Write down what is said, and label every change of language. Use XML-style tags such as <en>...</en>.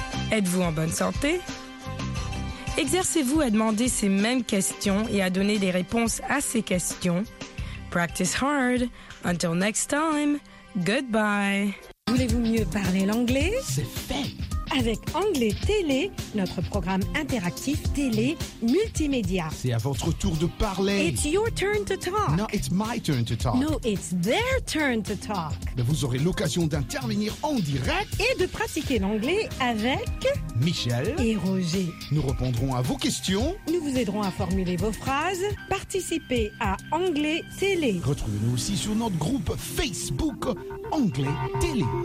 <fr>Êtes-vous en bonne santé? Exercez-vous à demander ces mêmes questions et à donner des réponses à ces questions.</fr> <en>Practice hard. Until next time. Goodbye.</en> <fr>Voulez-vous mieux parler l'anglais? C'est fait! Avec Anglais Télé, notre programme interactif télé multimédia. C'est à votre tour de parler.</fr> <en>It's your turn to talk. No, it's my turn to talk. No, it's their turn to talk.</en> <fr>Mais vous aurez l'occasion d'intervenir en direct. Et de pratiquer l'anglais avec... Michel. Et Roger. Nous répondrons à vos questions. Nous vous aiderons à formuler vos phrases. Participez à Anglais Télé. Retrouvez-nous aussi sur notre groupe Facebook Anglais Télé.</fr>